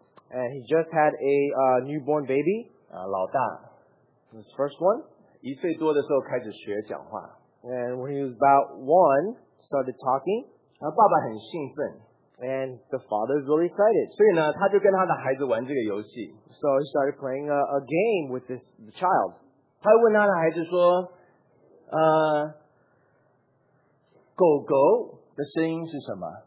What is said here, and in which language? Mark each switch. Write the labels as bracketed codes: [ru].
[en] ，and he just had a newborn baby. [zh] 老大 [en] ，his first one. [zh] 一岁多的时候开始学讲话 [en] ，and when he was about one, started talking. [zh] 然后爸爸很兴奋 [en] ，and the father is really excited. [zh] 所以呢，他就跟他的孩子玩这个游戏 [en] ，so he started playing a game with this child. [zh] 他问他的孩子说，狗狗的声音是什么？